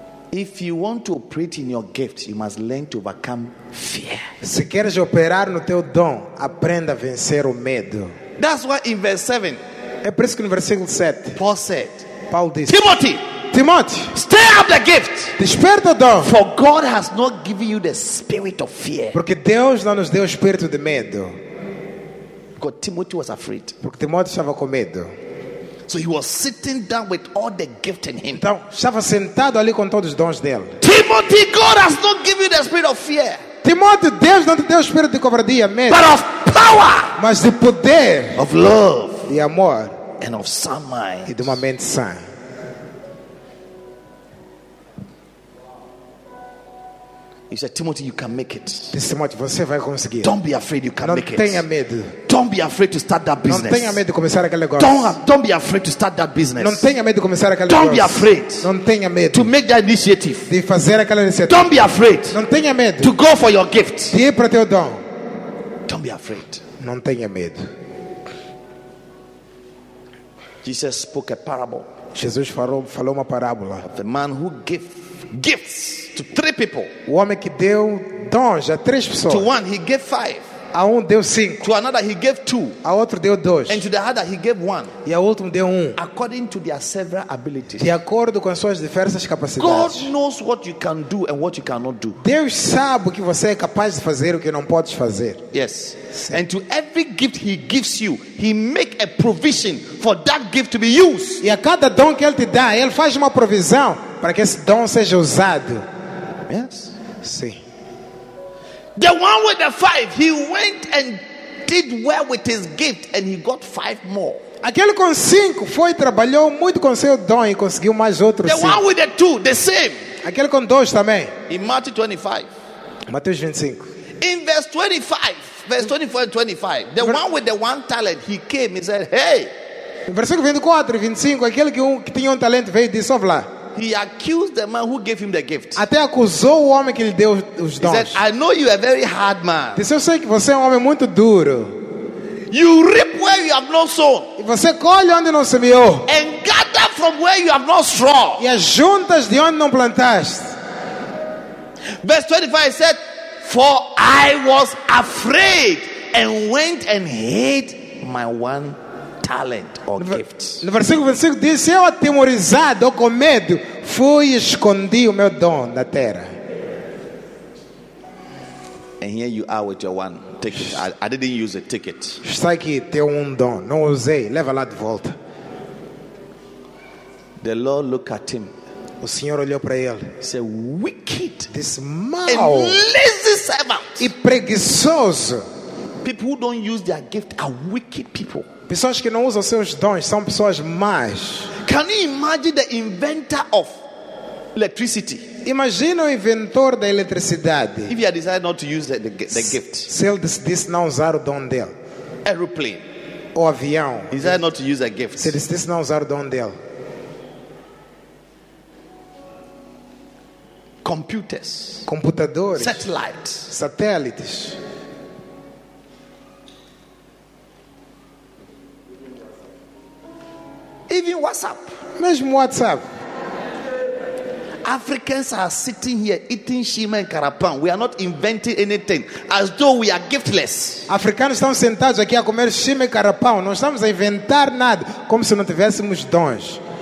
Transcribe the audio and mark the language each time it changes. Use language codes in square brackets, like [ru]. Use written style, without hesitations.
[en] If you want to operate in your gift, you must learn to overcome fear. [pt] Se queres operar no teu dom, aprenda a vencer o medo. [en] That's why in verse 7. [pt] É por isso que no versículo 7. [en] Paul said. [pt] Paulo disse. [en] Timothy. [pt] Timóteo, [en] stir up the gift. [pt] Desperta o dom. [en] For God has not given you the spirit of fear. [pt] Porque Deus não nos deu o espírito de medo. [en] Because Timothy was afraid. [pt] Porque Timóteo estava com medo. [en] So he was sitting down with all the gift in him. [pt] Então, estava sentado ali com todos os dons dele. [en] Timothy, God has not given you the spirit of fear. [pt] Timóteo, Deus não te deu o espírito de covardia, medo. [en] But of power. [pt] Mas de poder. [en] Of love. [pt] De amor. [en] And of sound mind. [pt] E de uma mente sã. [en] You said, Timothy, you can make it. [pt] Timóteo, você vai conseguir. [en] Don't be afraid, you can [pt] não [en] make it. [pt] Não tenha medo. [en] Don't be afraid to start that business. [pt] Não tenha medo de começar aquele negócio. [en] Don't be afraid to start that business. [pt] Não tenha medo de começar aquele [en] don't [pt] negócio. [en] Be afraid. [pt] Não tenha medo. [en] To make that initiative. [pt] De fazer aquela iniciativa. [en] Don't be afraid. [pt] Não tenha medo. [en] To go for your gift. [pt] De ir para teu dom. [en] Don't be afraid. [pt] Não tenha medo. [en] Jesus spoke a parable. [pt] Jesus falou uma parábola. [en] The man who gifts to three people. [pt] O homem que deu dons a três pessoas. [en] To one he gave five. [pt] A um deu cinco. [en] To another he gave two. [pt] A outro deu dois. [en] And to the other he gave one. [pt] E a outro deu um. [en] According to their several abilities. [pt] De acordo com as suas diversas capacidades. [en] God knows what you can do and what you cannot do. [pt] Deus sabe o que você é capaz de fazer e o que não pode fazer. [en] Yes. [pt] Sim. [en] And to every gift he gives you, he make a provision for that gift to be used. [pt] E a cada dom que ele te dá, ele faz uma provisão para que esse dom seja usado. [en] Yes. [pt] Sim. [en] The one with the five, he went and did well with his gift and he got five more. [pt] Aquele com cinco foi, trabalhou muito com seu dom e conseguiu mais outros cinco. [en] The one with the two, the same. [pt] Aquele com dois também. [en] In Matthew 25. [pt] Mateus 25. [en] In verse 25, verse 24 and 25, the one with the one talent, he came and said, hey. [pt] Versículo 24 e 25, aquele que tinha talento veio e disse, ouve lá. [en] He accused the man who gave him the gift. [pt] Até acusou o homem que lhe deu os dons. [en] He said, I know you are a very hard man. [pt] Disse, eu sei que você é um homem muito duro. [en] You reap where you have not sown. [pt] E você colhe onde não semeou. [en] And gather from where you have not strawed. [pt] E as juntas de onde não plantaste. [en] Verse 25 said, for I was afraid and went and hid my one talent or gift. [pt] No versículo 25 diz, eu atemorizado ou com medo fui e escondi o meu dom na terra. [en] And here you are with your one ticket. I didn't use a ticket. [pt] Está aqui, tem um dom, não usei, leva lá de volta. [en] The Lord looked at him. [pt] O Senhor olhou para ele. [en] Said, wicked, [pt] this mal, [en] lazy servant. [pt] E preguiçoso. [en] People who don't use their gift are wicked people. [pt] Pessoas que não usam seus dons são pessoas más. [en] Can you imagine the inventor of electricity? [pt] Imagina o inventor da eletricidade. [en] If he had decided not to use the gift. [pt] Se ele decidisse não usar o dom dele. [en] Aeroplane. [pt] O avião. [en] He decided not to use a gift. [pt] Se decidisse não usar o dom dele. [en] Computers. [pt] Computadores. [en] Satellites. [pt] Satélites. [en] Even WhatsApp. [pt] Mesmo WhatsApp. [en] Africans are sitting here eating shima and karapan. We are not inventing anything, as though we are giftless. [pt] Africanos estão sentados aqui a comer shima e karapan. Não estamos a inventar nada, como se não tivéssemos dons.